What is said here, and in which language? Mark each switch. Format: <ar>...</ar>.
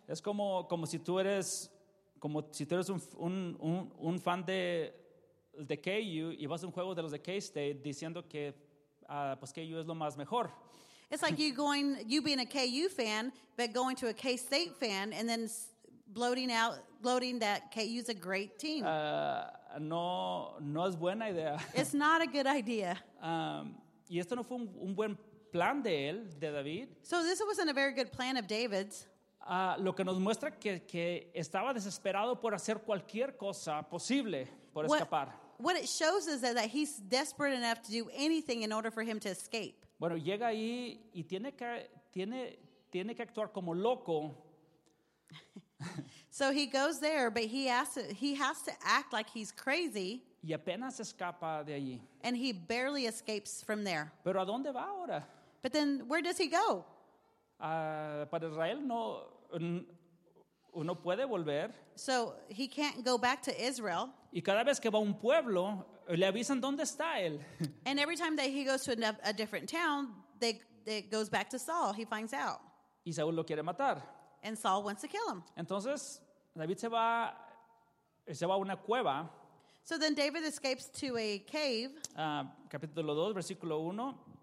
<es>Es como si tú eres un fan de KU y vas a un juego de los de K-State diciendo que pues KU es lo más mejor.</es> <en>It's like you being a KU fan but going to a K-State fan and then gloating that KU is a great team.</en> <es>No es buena idea.</es> <en>It's not a good idea.</en> <es>Y esto no fue un buen plan de él, de David.</es> <en>So this wasn't a very good plan of David's.</en> <es>Lo que nos muestra que estaba desesperado por hacer cualquier cosa posible por escapar.</es> <en>What it shows is that he's desperate enough to do anything in order for him to escape.</en> <es>Bueno, llega ahí y tiene que actuar como loco.</es> <en>So he goes there, but he has to act like he's crazy.</en> <es>Y apenas escapa de allí.</es> <en>And he barely escapes from there.</en> <es>Pero ¿a dónde va ahora?</es> <en>But then where does he go?</en> <es>Para Israel no. Uno puede volver.</es> <en>So he can't go back to Israel.</en> <es>Y cada vez que va a un pueblo, le avisan dónde está él.</es> <en>And every time that he goes to a different town, they goes back to Saul. He finds out.</en> <es>Y Saúl lo quiere matar.</es> <en>And Saul wants to kill him.</en> <es>Entonces, David se va a una cueva.</es> <en>So then David escapes to a cave.</en> <es>Capítulo 2, versículo 1.</es>